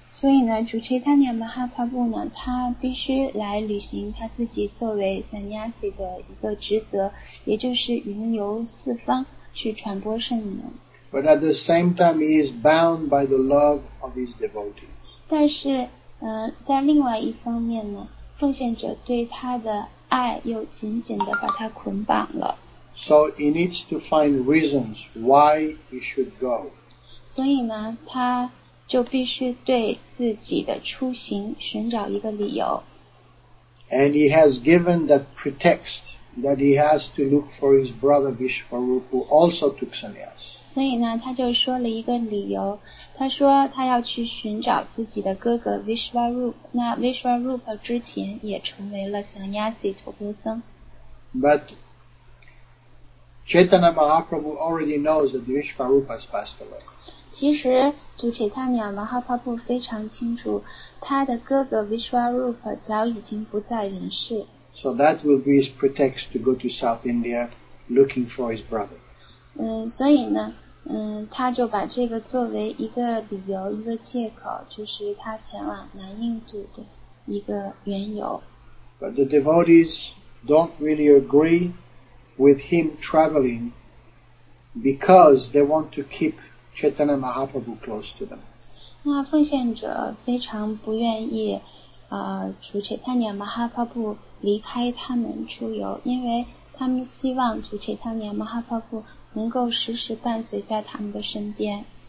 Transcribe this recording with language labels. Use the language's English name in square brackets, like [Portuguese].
[Chinese] 所以呢，主 Chaitanya Mahaprabhu 呢，他必须来履行他自己作为 sannyasi 的一个职责，也就是云游四方去传播圣名。 [English] But at the same time, he is bound by the love of his devotees. [Chinese] 但是，在另外一方面呢，奉献者对他的爱又紧紧地把他捆绑了。 [English] So he needs to find reasons why he should go. [Chinese] 所以呢，他就必须对自己的出行寻找一个理由。 [English] And he has given that pretext that he has to look for his brother Vishwaroop, who also took sannyas. [Chinese] 所以呢，他就说了一个理由，他说他要去寻找自己的哥哥 Vishwaroop, 那 Vishwaroop 之前也成为了 sannyasi 陀钵僧。 [English] But Chaitanya Mahaprabhu already knows that Vishwaroop has passed away. [Chinese] 其实主 Chaitanya Mahaprabhu 非常清楚，他的哥哥 Vishwaroop 早已经不在人世。 [English] So that will be his pretext to go to South India looking for his brother. [Chinese] 所以呢，他就把这个作为一个理由，一个借口，就是他前往南印度的一个缘由。 [English] But the devotees don't really agree with him traveling because they want to keep Chaitanya Mahaprabhu close to them. [Chinese] 那奉献者非常不愿意主 Chaitanya Mahaprabhu 离开他们出游，因为他们希望主 Chaitanya Mahaprabhu 能够时时伴随在他们的身边。